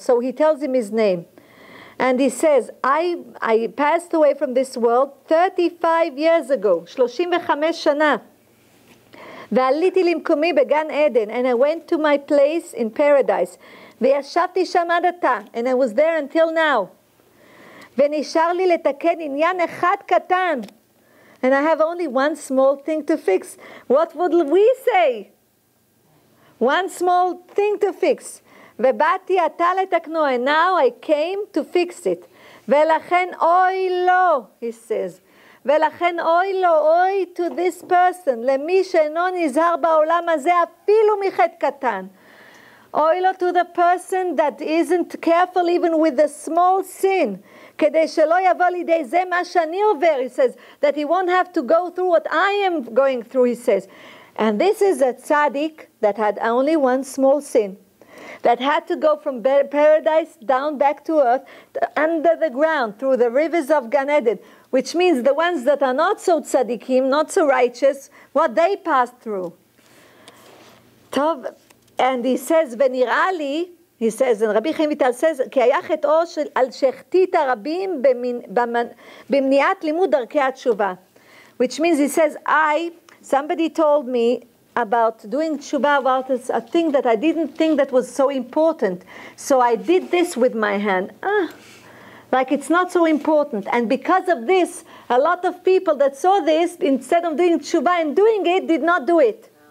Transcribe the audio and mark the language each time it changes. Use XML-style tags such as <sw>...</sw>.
<en>So he tells him his name. And he says, I passed away from this world 35 years ago, 35</en> <he>שנה. ועליתי למקומי בגן עדן,</he> <en>and I went to my place in paradise.</en> <he>וישבתי שם עד עתה,</he> <en>and I was there until now.</en> <he>ונשאר לי לתקן עניין אחד קטן.</he> <en>And I have only one small thing to fix. What would we say? One small thing to fix.</en> <he>ובאתי עתה לתקנו,</he> <en>and now I came to fix it.</en> <he>ולכן אוי לו,</he> <en>he says.</en> <he>ולכן אוי לו, אוי</he> <en>to this person,</en> <he>למי שאינו נזהר בעולם הזה אפילו מחטא קטן. אוי לו</he> <en>to the person that isn't careful even with a small sin.</en> <he>כדי שלא יבוא לידי זה מה שאני עובר,</he> <en>he says. That he won't have to go through what I am going through, he says. And this is a tzaddik that had only one small sin. That had to go from paradise down back to earth, under the ground, through the rivers of Gan Eden, which means the ones that are not so tzaddikim, not so righteous, what they passed through. Tov, and he says,</en> <he>ונראה לי,</he> <en>he says, and Rabbi Chaim Vital says,</en> <he>כי היה חטאו על שחטית הרבים במניעת לימוד דרכי התשובה.</he> <en>Which means he says, somebody told me, about doing tshuva, about a thing that I didn't think that was so important. So I did this with my hand. Like it's not so important. And because of this, a lot of people that saw this, instead of doing tshuva and doing it, did not do it.</en>